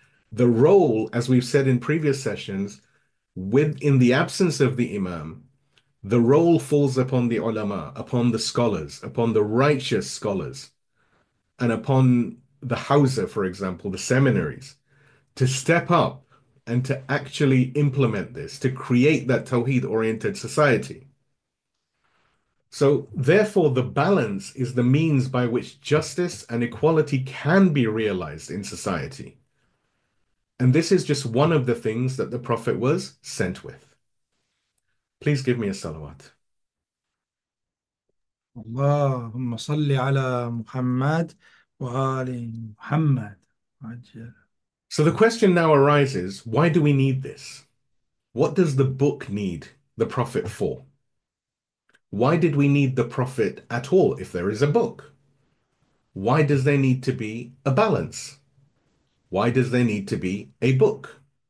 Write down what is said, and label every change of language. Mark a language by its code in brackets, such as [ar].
[en] The role, as we've said in previous sessions, in the absence of the Imam, the role falls upon the ulama, upon the scholars, upon the righteous scholars, and upon the Hawza, for example, the seminaries, to step up and to actually implement this, to create that Tawheed-oriented society. So, therefore, the balance is the means by which justice and equality can be realized in society. And this is just one of the things that the Prophet was sent with. Please give me a salawat. [ar] اللهم صل على محمد وآل محمد. عجل. [en] So the question now arises, why do we need this? What does the book need the Prophet for? Why did we need the Prophet at all if there is a book? Why does there need to be a balance? Why does there need to be a book?